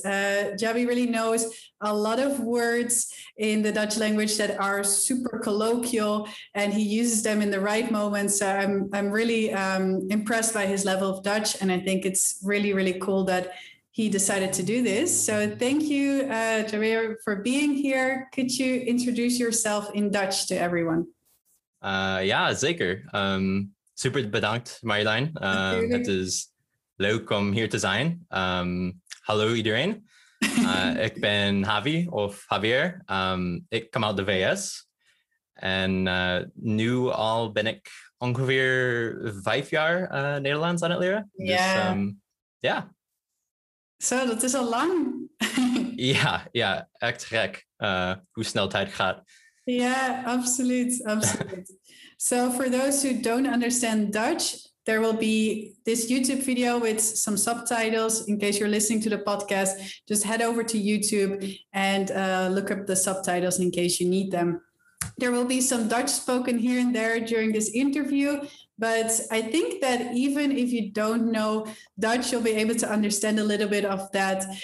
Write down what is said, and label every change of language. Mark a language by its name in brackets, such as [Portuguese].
[English] Javi really knows a lot of words in the Dutch language that are super colloquial, and he uses them in the right moments. So I'm really impressed by his level of Dutch, and I think it's really, really cool that he decided to do this. So thank you, Javier, for being here. Could you introduce yourself in Dutch to everyone? [Dutch] Yeah, zeker. Super bedankt, Marjolein. Het is leuk om hier te zijn. Hallo iedereen. ik ben Javi of Javier. Ik kom uit de VS. En nu al ben ik ongeveer 5 jaar Nederlands aan het leren. Ja. Yeah. Yeah. Zo, dat is al lang. ja, echt gek hoe snel tijd gaat. Ja, absoluut. [English] So for those who don't understand Dutch, there will be this YouTube video with some subtitles. In case you're listening to the podcast, just head over to YouTube and look up the subtitles in case you need them. There will be some Dutch spoken here and there during this interview, but I think that even if you don't know Dutch, you'll be able to understand a little bit of that.